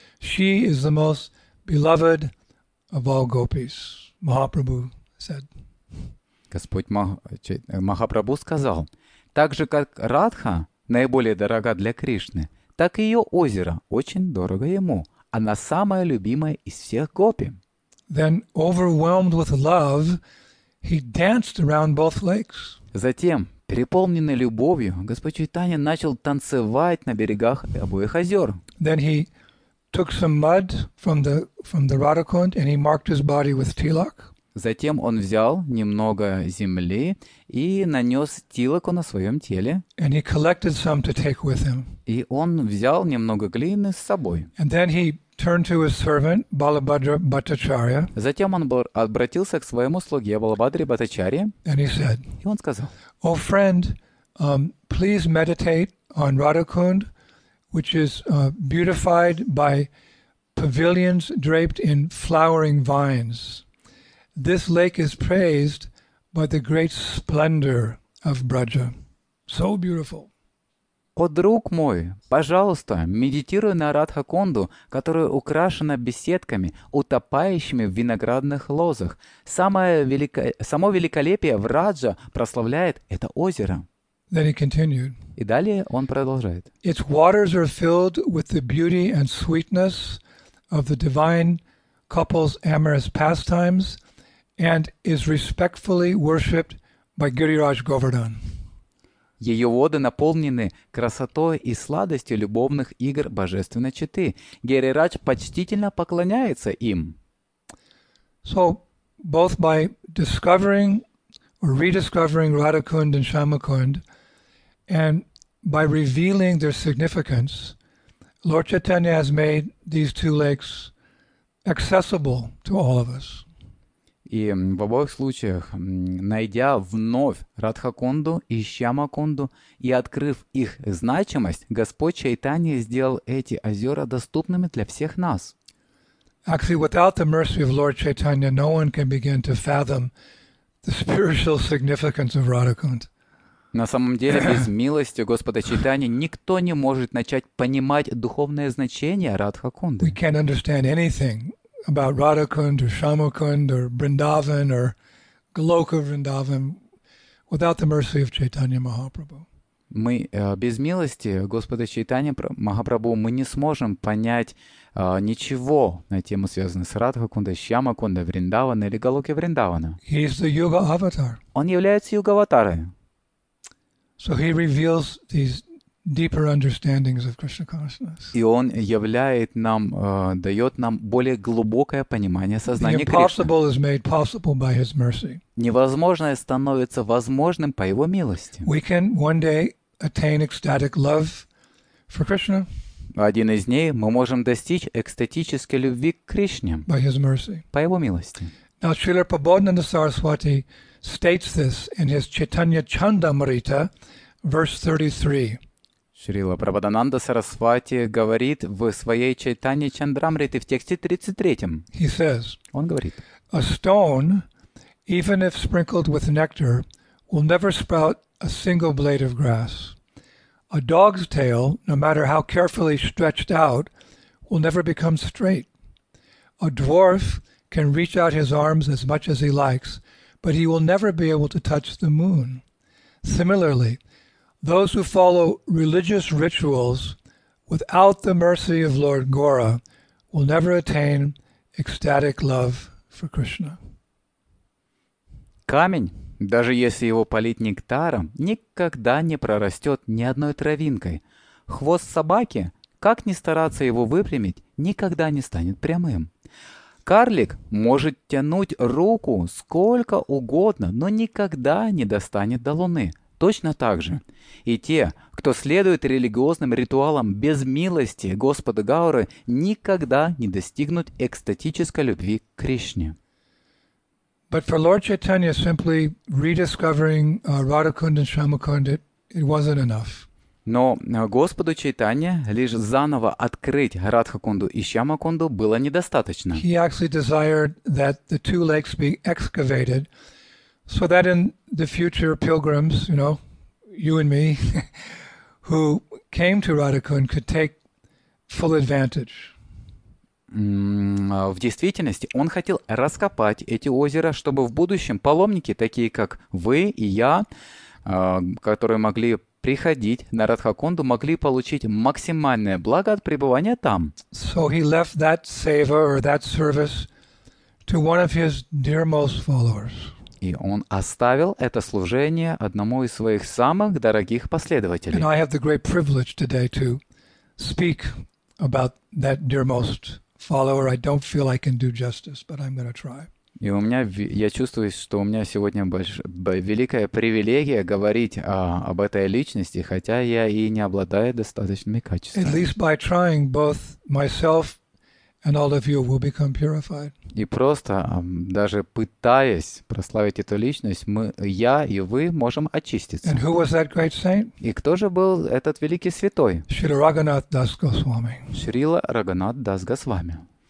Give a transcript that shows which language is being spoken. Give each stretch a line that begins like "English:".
English: She is the most beloved of all gopis. Махапрабху said.
Russian: Господь Махапрабху сказал, так же, как Радха наиболее дорога для Кришны, так и ее озеро очень дорого ему. Она самая любимая из всех гопи.
English: Then, overwhelmed with love, he danced around both lakes.
Russian: Затем, переполненный любовью, Господь Чайтанья начал танцевать на берегах обоих озер.
English: Then he took some mud from the Radhakund and he marked his body with tilak.
Russian: Затем он взял немного земли и нанес тилаку на своем теле.
English: And he collected some to take with him.
Russian: И он взял немного глины с собой.
English: And then he turned to his servant Balabhadra Bhattacharya.
Russian: Затем он обратился к своему слуге Балабхадре Бхаттачарье.
English: And he said,
Russian: и он сказал,
English: "O friend, please meditate on Radhakund, which is beautified by pavilions draped in flowering vines. This lake is praised by the great splendor of Braja. So beautiful."
Russian: О, друг мой, пожалуйста, медитируй на Радхакунду, которая украшена беседками, утопающими в виноградных лозах. Само великолепие в Раджа прославляет это озеро.
English: Then he continued.
Russian: И далее он продолжает.
English: Its waters are filled with the beauty and sweetness of the divine couple's amorous pastimes and is respectfully worshipped by Giriraj Govardhan.
Russian: Ее воды наполнены красотой и сладостью любовных игр божественной четы. Гирирадж почтительно поклоняется им.
English: So, both by discovering or rediscovering Radhakund and Shyamakund, and by revealing their significance, Lord Chaitanya has made these two lakes accessible to all of us.
Russian: И в обоих случаях, найдя вновь Радхакунду и Шьямакунду и открыв их значимость, Господь Чайтанья сделал эти озера доступными для всех нас.
English: Actually, without the mercy of Lord Chaitanya, no one can begin to fathom the spiritual significance of Radhakund.
Russian: На самом деле, без милости Господа Чайтанья никто не может начать понимать духовное значение Радхакунды.
English: We can't understand anything about Radhakund or Shyamakund or Vrindavan or Goloka Vrindavan without the mercy of Chaitanya Mahaprabhu.
Russian: Мы без милости Господа Чайтанья Махапрабху мы не сможем понять ничего на тему, связанную с Радхакундой, Шьямакундой, Вриндаваной или Галоки Вриндавана.
English: He is the Yuga Avatar.
Russian: Он является Юга-аватарой.
English: So he reveals these deeper understandings of Krishna consciousness.
Russian: И он являет нам, дает нам более глубокое понимание сознания
English: Кришны. The impossible is made possible by his mercy.
Russian: Невозможное становится возможным по его милости.
English: We can one day attain ecstatic love for Krishna.
Russian: Один из дней мы можем достичь экстатической любви к Кришне.
English: By his mercy.
Russian: По его милости.
English: Now Srila Prabodhananda Saraswati states this in his Chaitanya Chandamrita, verse 33.
Russian: Шрила Прабхадананда Сарасвати говорит в своей Чайтанье Чандрамрите в тексте 33-м.
English: He says,
Russian: он говорит,
English: a stone, even if sprinkled with nectar, will never sprout a single blade of grass. A dog's tail, no matter how carefully stretched out, will never become straight. A dwarf can reach out his arms as much as he likes, but he will never be able to touch the moon. Similarly, those who follow religious rituals without the mercy of Lord Gaura will never attain ecstatic love for Krishna.
Russian: Камень, даже если его полить нектаром, никогда не прорастет ни одной травинкой. Хвост собаки, как ни стараться его выпрямить, никогда не станет прямым. Карлик может тянуть руку сколько угодно, но никогда не достанет до луны. Точно так же. И те, кто следует религиозным ритуалам без милости Господа Гауры, никогда не достигнут экстатической любви к Кришне.
English: But for Lord Chaitanya, simply rediscovering Radhakund and Shyamakund, it wasn't enough.
Russian: Но Господу Чайтанье лишь заново открыть Радхакунду и Шьямакунду было недостаточно.
English: He actually desired that the two lakes be excavated, so that in the future pilgrims, you know, you and me, who came to Radhakund could take full advantage.
Russian: В действительности он хотел раскопать эти озера, чтобы в будущем паломники, такие как вы и я, которые могли приходить на Радхакунду, могли получить максимальное благо от пребывания там.
English: So he left that seva or that service to one of his dearmost followers.
Russian: И он оставил это служение одному из своих самых дорогих последователей.
English: And I have the great privilege today to speak about that dearmost follower. I don't feel I can do justice, but I'm going to try.
Russian: И у меня, я чувствую, что у меня сегодня великая привилегия говорить об этой личности, хотя я и не обладаю достаточными качествами. At least by trying, both myself and all of you will become purified. И просто, даже пытаясь прославить эту личность, мы, я и вы можем очиститься. And who was that great saint? И кто же был этот великий святой? Шрила Рагханат Дас Госвами. Шрила Рагханат Дас Госвами.